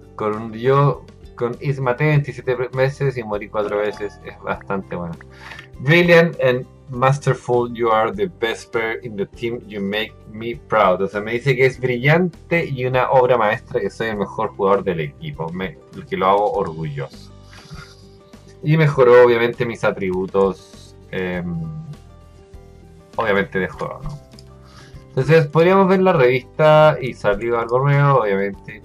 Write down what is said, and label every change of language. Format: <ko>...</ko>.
<es>Con maté 27 veces y morí 4 veces, es bastante bueno.</es> <en>Brilliant and masterful, you are the best player in the team, you make me proud.</en> <es>O sea, me dice que es brillante y una obra maestra, que soy el mejor jugador del equipo, que lo hago orgulloso. Y mejoró, obviamente, mis atributos. Obviamente de juego, ¿no? Entonces podríamos ver la revista y salir algo nuevo, obviamente.</es>